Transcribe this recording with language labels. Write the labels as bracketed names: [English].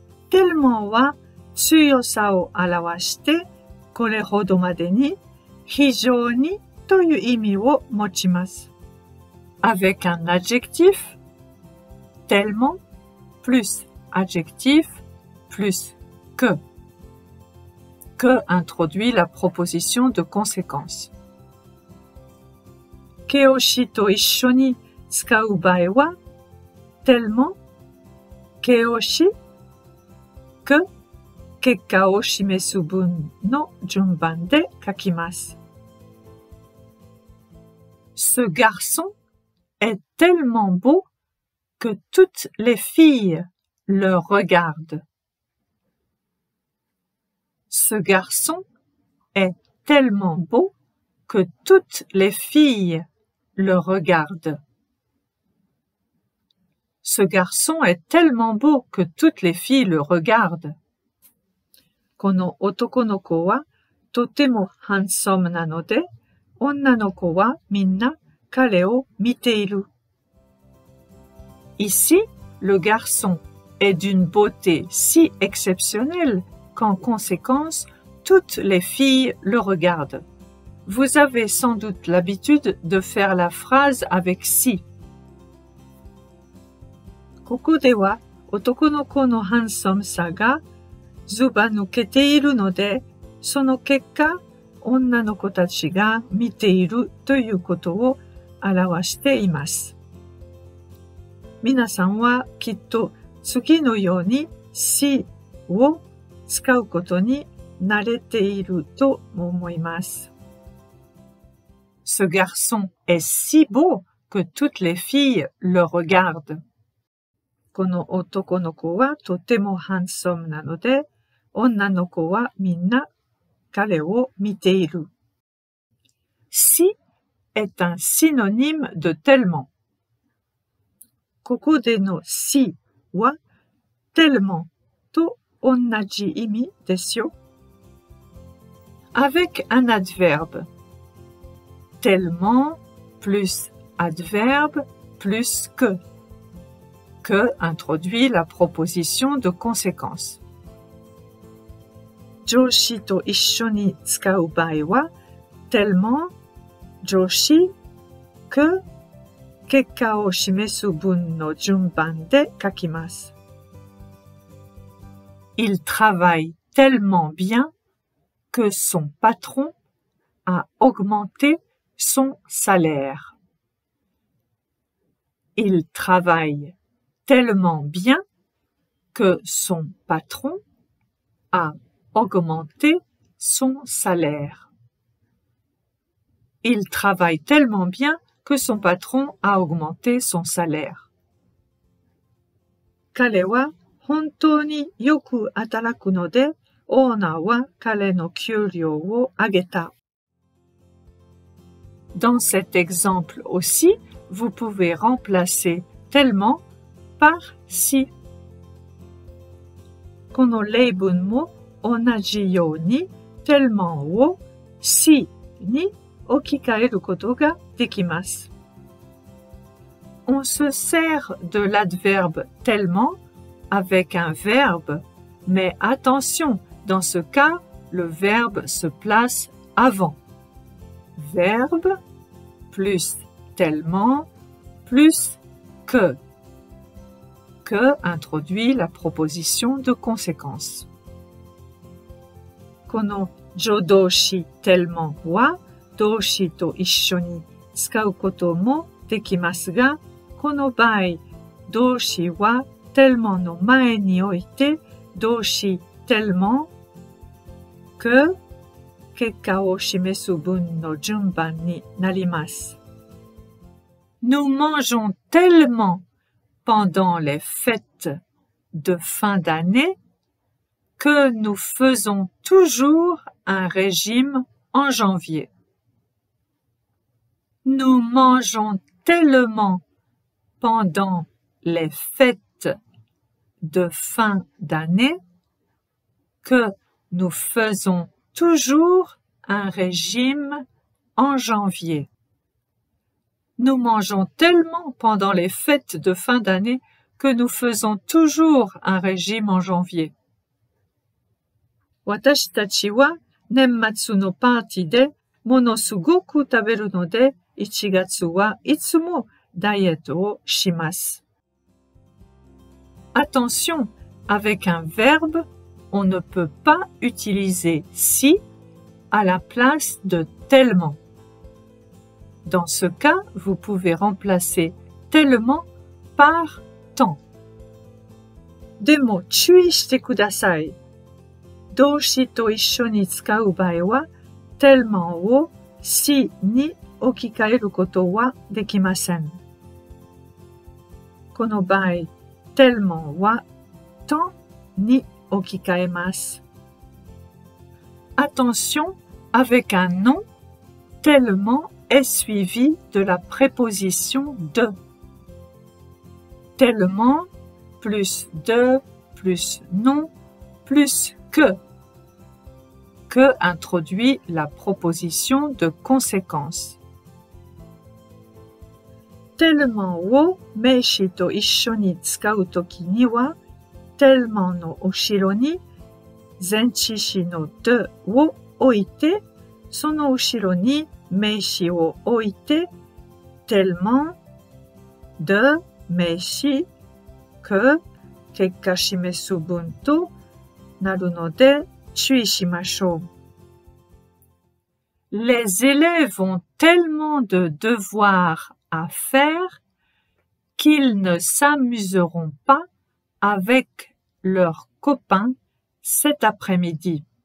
[Japanese] Tellement は強さを表してこれほどまでに非常にという意味を持ちます。 [French] Avec un adjectif, tellement plus adjectif plus que. Que introduit la proposition de conséquence. Que aussi [Japanese] と一緒に使う場合は [French] tellement que aussi que [Japanese] 結果を示す文の順番で書きます。 [French] Ce garçon est tellement beau que toutes les filles le regardent. Ce garçon est tellement beau que toutes les filles le regardent. Ce garçon est tellement beau que toutes les filles le regardent. [Japanese] この男の子はとてもハンサムなので、女の子はみんな彼を見ている。 [French] Ici, le garçon est d'une beauté si exceptionnelle. Qu'en conséquence, toutes les filles le regardent. Vous avez sans doute l'habitude de faire la phrase avec si. [Japanese] ここでは男の子のハンサムさがずば抜けているので、その結果、女の子たちが見ているということを表しています。皆さんはきっと次のようにしを使うことに慣れていると思います。 [French] Ce garçon est si beau que toutes les filles le regardent. [Japanese] この男の子はとてもハンサムなので、女の子はみんな彼を見ている。 [French] Si est un synonyme de tellement. [Japanese] ここでの si は tellement. 同じ意味ですよ。 [French] Avec un adverbe. Tellement plus adverbe plus que. Que introduit la proposition de conséquence. [Japanese] 助詞と一緒に使う場合は tellement 助詞que 結果を示す文の順番で書きます。 [French] Il travaille tellement bien que son patron a augmenté son salaire. Il travaille tellement bien que son patron a augmenté son salaire. Il travaille tellement bien que son patron a augmenté son salaire. Kalewa. [Japanese] 本当によく働くので、オーナーは彼の給料を上げた。 [French] Dans cet exemple aussi, vous pouvez remplacer tellement par si. [Japanese] この例文も同じように、tellement をしに置き換えることができます。 [French] On se sert de l'adverbe tellement. Avec un verbe, mais attention, dans ce cas, le verbe se place avant. Verbe plus tellement plus que. Que introduit la proposition de conséquence. [Japanese] この助動詞テルモンは動詞と一緒に使うこともできますが、この場合、動詞はテルモンの前に置いて、動詞テルモン、que、結果を示す文の順番になります。 [French] Nous mangeons tellement pendant les fêtes de fin d'année que nous faisons toujours un régime en janvier. Nous mangeons tellement pendant les fêtes de fin d'année que nous faisons toujours un régime en janvier. Nous mangeons tellement pendant les fêtes de fin d'année que nous faisons toujours un régime en janvier. [Japanese] 私たちは年末のパーティーでものすごく食べるので1月はいつもダイエットをします。 [French] Attention, avec un verbe, on ne peut pas utiliser si à la place de tellement. Dans ce cas, vous pouvez remplacer tellement par tant. [Japanese] でも注意してください。動詞と一緒に使う場合は、tellement を si に置き換えることはできません。この場合、tellement は tant に置き換えます。 [French] Attention, avec un nom, tellement est suivi de la préposition de. Tellement plus de plus nom plus que. Que introduit la proposition de conséquence. [Japanese] Tellement を名詞と一緒に使うときには、tellement の後ろに前置詞の de を置いて、その後ろに名詞を置いて、tellement de 名詞 que 結果示す文となるので、注意しましょう。 [French] Les élèves ont tellement de devoirs à faire qu'ils ne s'amuseront pas avec leurs copains cet après-midi.